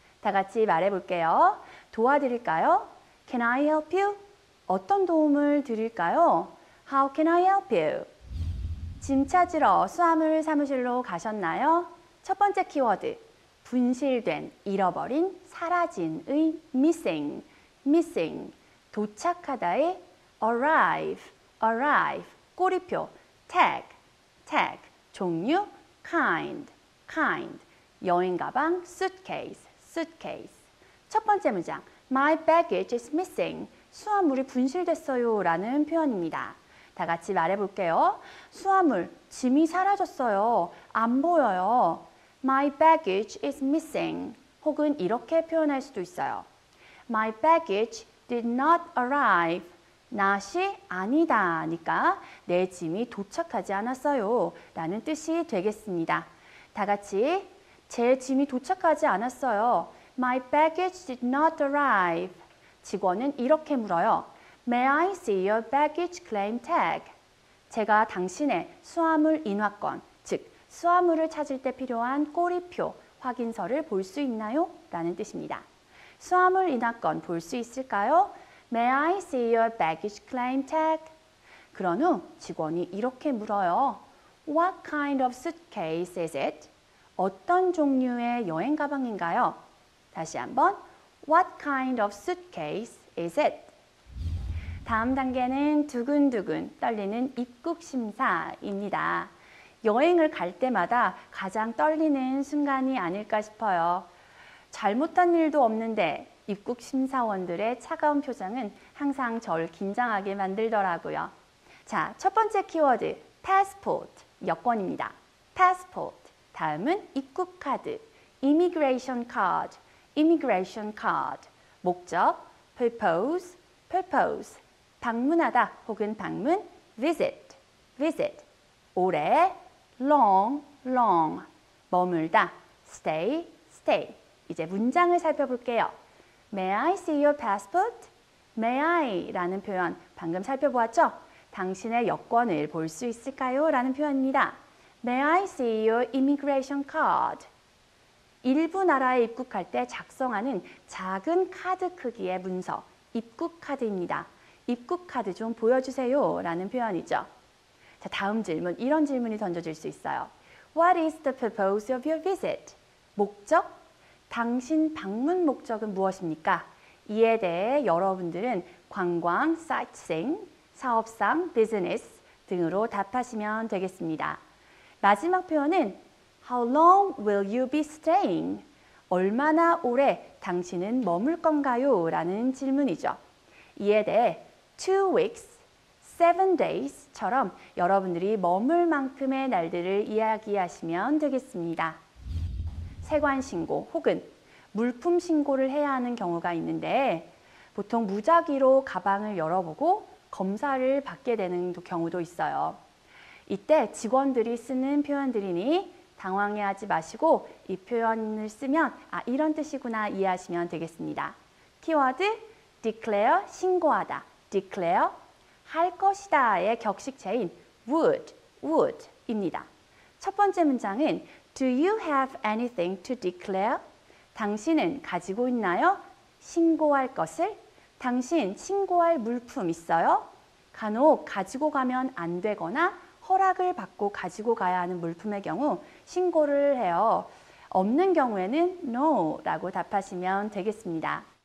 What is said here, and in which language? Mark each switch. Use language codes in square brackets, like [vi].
[ko] 다 같이 말해볼게요. 도와드릴까요? [en] Can I help you? [ko] 어떤 도움을 드릴까요? [en] How can I help you? [ko] 짐 찾으러 수화물 사무실로 가셨나요? 첫 번째 키워드, 분실된, 잃어버린, 사라진의 missing. [en] Missing, [ko] 도착하다의 [en] arrive, arrive, [ko] 꼬리표, [en] tag, tag, 종류, kind, kind, [ko] 여행 가방, [en] suitcase, suitcase. [ko] 첫 번째 문장, [en] my baggage is missing, [ko] 수하물이 분실됐어요 라는 표현입니다. 다 같이 말해볼게요. 수하물, 짐이 사라졌어요. 안 보여요. [en] My baggage is missing, [ko] 혹은 이렇게 표현할 수도 있어요. [en] My baggage did not arrive. [ko] Not이 아니다니까 내 짐이 도착하지 않았어요 라는 뜻이 되겠습니다. 다 같이 제 짐이 도착하지 않았어요. [en] My baggage did not arrive. [ko] 직원은 이렇게 물어요. [en] May I see your baggage claim tag? [ko] 제가 당신의 수화물 인화권, 즉 수화물을 찾을 때 필요한 꼬리표, 확인서를 볼 수 있나요? 라는 뜻입니다. 수화물 인화권 볼 수 있을까요? [en] May I see your baggage claim tag? [ko] 그런 후 직원이 이렇게 물어요. [en] What kind of suitcase is it? [ko] 어떤 종류의 여행 가방인가요? 다시 한번, [en] What kind of suitcase is it? [ko] 다음 단계는 두근두근 떨리는 입국 심사입니다. 여행을 갈 때마다 가장 떨리는 순간이 아닐까 싶어요. 잘못한 일도 없는데 입국 심사원들의 차가운 표정은 항상 저를 긴장하게 만들더라고요. 자, 첫 번째 키워드, passport, 여권입니다. passport, 다음은 입국 카드, [en] immigration card, immigration card. [ko] 목적, [en] purpose, purpose. [ko] 방문하다 혹은 방문, visit, visit. 오래, [en] long, long. [ko] 머물다, [en] stay, stay. [ko] 이제 문장을 살펴볼게요. [en] May I see your passport? [ko] May I 라는 표현 방금 살펴보았죠? 당신의 여권을 볼 수 있을까요? 라는 표현입니다. [en] May I see your immigration card? [ko] 일부 나라에 입국할 때 작성하는 작은 카드 크기의 문서, 입국 카드입니다. 입국 카드 좀 보여주세요 라는 표현이죠. 자, 다음 질문, 이런 질문이 던져질 수 있어요. [en] What is the purpose of your visit? [ko] 목적? 당신 방문 목적은 무엇입니까? 이에 대해 여러분들은 관광, sightseeing, 사업상, business 등으로 답하시면 되겠습니다. 마지막 표현은 [en] How long will you be staying? [ko] 얼마나 오래 당신은 머물 건가요? 라는 질문이죠. 이에 대해 [en] 2 weeks, 7 days [ko] 처럼 여러분들이 머물 만큼의 날들을 이야기하시면 되겠습니다. 세관 신고 혹은 물품 신고를 해야 하는 경우가 있는데 보통 무작위로 가방을 열어보고 검사를 받게 되는 경우도 있어요. 이때 직원들이 쓰는 표현들이니 당황해하지 마시고 이 표현을 쓰면 아 이런 뜻이구나 이해하시면 되겠습니다. 키워드 declare 신고하다 declare 할 것이다의 격식체인 would입니다. 첫 번째 문장은 [en] Do you have anything to declare? [ko] 당신은 가지고 있나요? 신고할 것을? 당신 신고할 물품 있어요? 간혹 가지고 가면 안 되거나 허락을 받고 가지고 가야 하는 물품의 경우 신고를 해요. 없는 경우에는 no라고 답하시면 되겠습니다.